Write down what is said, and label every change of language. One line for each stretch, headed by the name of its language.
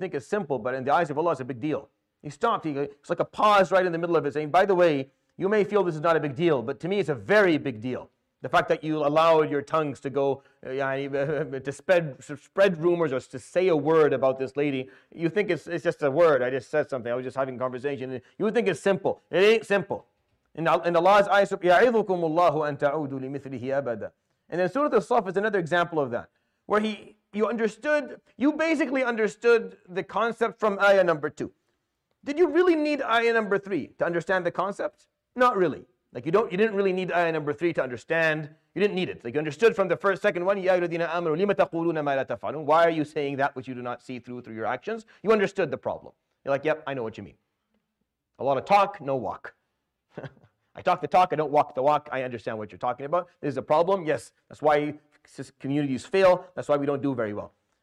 English: And you think it's simple, but in the eyes of Allah, it's a big deal. He stopped. It's like a pause right in the middle of it, saying, by the way, you may feel this is not a big deal, but to me, it's a very big deal. The fact that you allowed your tongues to go, to spread rumors or to say a word about this lady, you think it's just a word. I just said something. I was just having a conversation. You think it's simple. It ain't simple. In Allah's eyes,
Arabic: يَعِذُكُمُ اللَّهُ أَن تَعُودُ لِمِثْلِهِ أَبَدًا.
English: And then Surah Al-Saff is another example of that, where you basically understood the concept from ayah number 2. Did you really need ayah number 3 to understand the concept? Not really. Like you didn't really need ayah number 3 to understand. You didn't need it. Like you understood from the first, second one,
Arabic: يَا أَيُّهَا الَّذِينَ آمَنُوا لِمَ تَقُولُونَ مَا لَا تَفْعَلُونَ.
English: Why are you saying that which you do not see through your actions? You understood the problem. You're like, yep, I know what you mean. A lot of talk, no walk. I talk the talk, I don't walk the walk. I understand what you're talking about. This is a problem, yes. That's why communities fail. That's why we don't do very well.